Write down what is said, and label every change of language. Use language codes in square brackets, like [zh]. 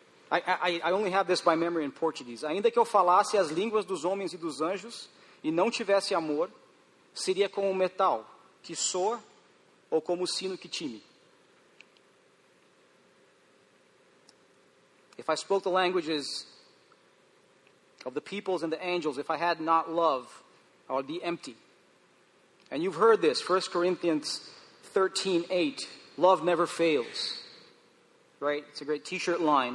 [en] I only have this by memory in Portuguese. [pt] Ainda que eu falasse as línguas dos homens e dos anjos e não tivesse amor, seria como um metal que soa ou como o sino que time. [en] If I spoke the languages of the peoples and the angels, if I had not love, I would be empty. And you've heard this, 1 Corinthians 13:8. Love never fails. Right? It's a great t-shirt line.